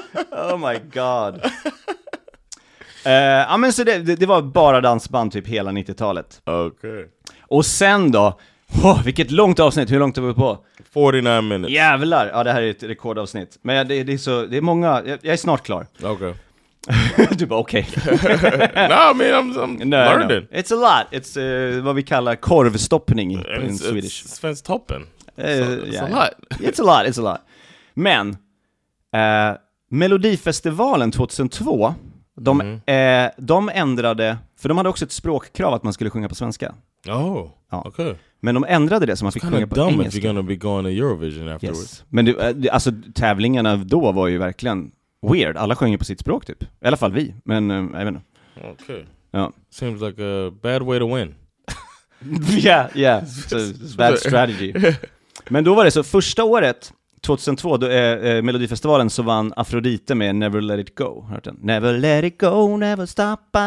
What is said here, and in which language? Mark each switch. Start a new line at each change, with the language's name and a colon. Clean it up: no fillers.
English: Oh my god.
Swedish: Men så det var bara dansband typ hela 90-talet. Okej. Och sen då? Oh, vilket långt avsnitt. Hur långt har vi på?
English: 49 minutes.
Swedish: Jävlar. Ja, det här är ett rekordavsnitt. Men det är så, det är många. Jag är snart klar. Okej. Okay. Du bara, okej.
English: <okay. laughs> No, I mean, I'm learning. It's a lot. It's
Swedish: vad vi kallar korvstoppning
English: in Swedish. It's svensk toppen. It's a lot. It's a lot.
Swedish: Men, Melodifestivalen 2002, de ändrade, för de hade också ett språkkrav att man skulle sjunga på svenska. Oh, ja. Okej. Okay. Men de ändrade det så man fick sjunga på engelska.
English: It's kind of dumb if you're gonna be going to Eurovision afterwards. Yes.
Swedish: Men du, alltså tävlingarna då var ju verkligen weird. Alla sjunger på sitt språk typ. I alla fall vi. Men jag vet inte.
English: Okay.
Swedish: Ja.
English: Seems like a bad way to win. yeah. It's bad strategy.
Swedish: Men då var det så. Första året, 2002, då är Melodifestivalen, så vann Afrodite med Never Let It Go. Hört den?
English: Never let it go, never stop.